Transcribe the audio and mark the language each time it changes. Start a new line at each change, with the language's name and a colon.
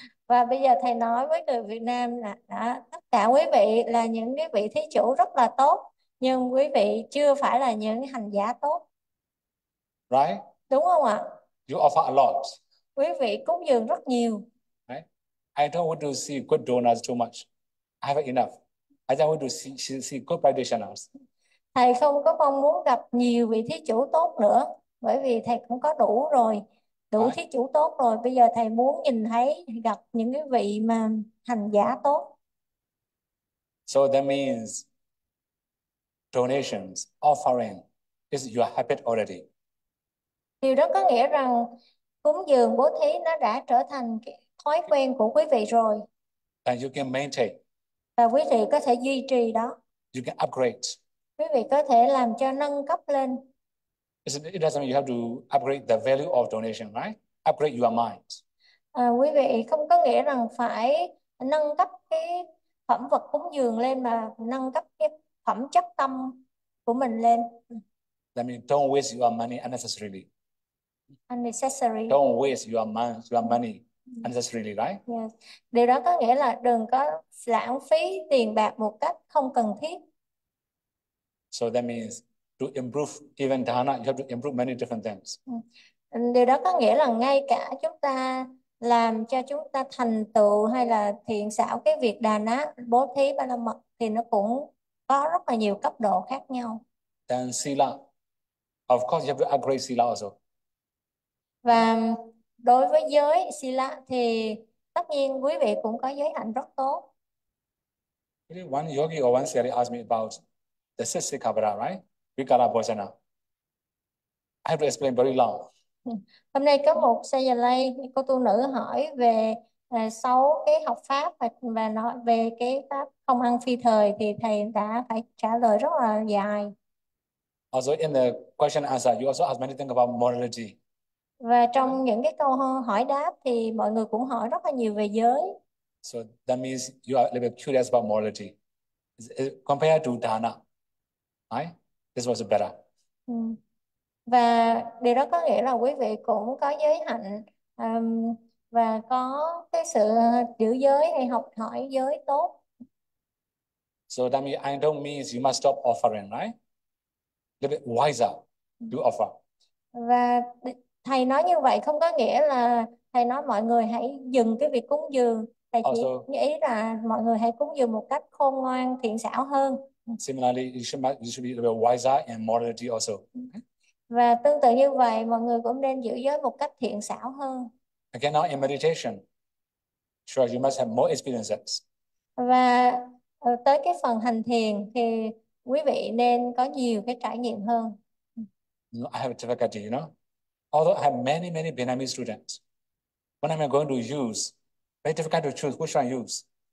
Vietnamese: và bây giờ thầy nói với người Việt Nam là đã, tất cả quý vị là những cái vị thí chủ rất là tốt, nhưng quý vị chưa phải là những hành giả tốt,
English: Right?
Vietnamese: đúng không ạ?
English: You offer a lot.
Vietnamese: Quý vị cúng dường rất nhiều.
English: I don't want to see good donors too much. I have enough. I just want to see good practitioners.
Vietnamese: Thầy không có mong muốn gặp nhiều vị thí chủ tốt nữa, bởi vì thầy cũng có đủ rồi, đủ
English: Right?
Vietnamese: thí chủ tốt rồi. Bây giờ thầy muốn nhìn thấy, gặp những cái vị mà hành giả tốt.
English: So that means donations, offering is your habit already.
Vietnamese: Điều đó có nghĩa rằng cúng dường bố thí nó đã trở thành cái thói quen của quý vị rồi,
English: And you can maintain.
Vietnamese: và quý vị có thể duy trì đó,
English: You can upgrade.
Vietnamese: quý vị có thể làm cho nâng cấp lên.
English: It doesn't mean you have to upgrade the value of donation, right? Upgrade your mind.
Vietnamese: À, quý vị không có nghĩa rằng phải nâng cấp cái phẩm vật cúng dường lên, mà nâng cấp cái phẩm chất tâm của mình lên.
English: That means don't waste your money unnecessarily. Unnecessary. Don't waste your money unnecessarily, right? Yes.
Vietnamese: Điều đó có nghĩa là đừng có lãng phí tiền bạc một cách không cần thiết.
English: So that means to improve even dana, you have to improve many different things.
Vietnamese: Điều đó có nghĩa là ngay cả chúng ta làm cho chúng ta thành tựu hay là thiện xảo cái việc đà ná bố thí ba la mật thì nó cũng có rất là nhiều cấp độ khác nhau.
English: Then sila. Of course, you have to upgrade sila also.
Vietnamese: Và đối với giới sila thì tất nhiên quý vị cũng có giới hạnh rất tốt.
English: One yogi or one sari asked me about the Sisikabara, right? Vikara Bhojana. I have to explain very long.
Vietnamese: Hôm nay có một Sayalay, cô tu nữ hỏi về 6 cái học pháp và nói về cái pháp không ăn phi thời, thì thầy đã phải trả lời rất là dài.
English: Also in the question answer, you also ask many things about morality.
Vietnamese: Và trong những cái câu hỏi đáp thì mọi người cũng hỏi rất là nhiều về giới.
English: So that means you are a little bit curious about morality. Compared to dana, right? This was better.
Vietnamese: Và điều đó có nghĩa là quý vị cũng có giới hạnh, và có cái sự giữ giới hay học hỏi giới tốt.
English: So that means I don't mean you must stop offering, right? Little bit wiser to offer.
Vietnamese: Và thầy nói như vậy không có nghĩa là thầy nói mọi người hãy dừng cái việc cúng dường, thầy chỉ
English: Also,
Vietnamese: nghĩ là mọi người hãy cúng dường một cách khôn ngoan, thiện xảo hơn.
English: similarly, you should be a little wiser in morality also. Okay.
Vietnamese: Và tương tự như vậy, mọi người cũng nên giữ giới một cách thiện xảo hơn.
English: Again, now in meditation, sure, you must have more experiences.
Vietnamese: Và tới cái phần hành thiền thì quý vị nên có nhiều cái trải nghiệm hơn.
English: I have a difficulty, Although I have many, many Vietnamese students, what am I going to use? Very difficult to choose. Which one I use?